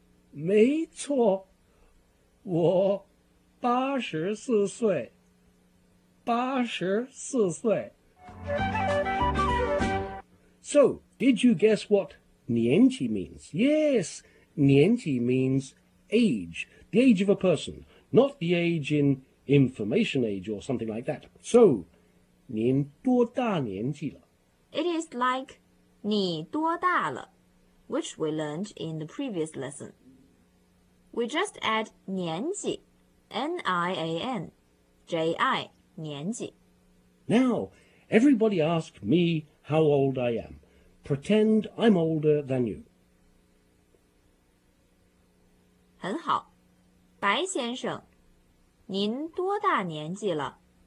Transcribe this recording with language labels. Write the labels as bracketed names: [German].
[Chinese] 没错，我八十四岁，八十四岁。 [English] So, did you guess what 年纪 means? Yes, 年纪 means age, the age of a person, not the age in information age or something like that. [Chinese] So, 您多大年纪了? [English] It is like... [Chinese] 你多大了? [English] Which we learned in the previous lesson. We just add 年纪, N-I-A-N, J-I, 年纪. Now, everybody ask me how old I am. Pretend I'm older than you. [Chinese] 很好, 白先生, 您多大年纪了?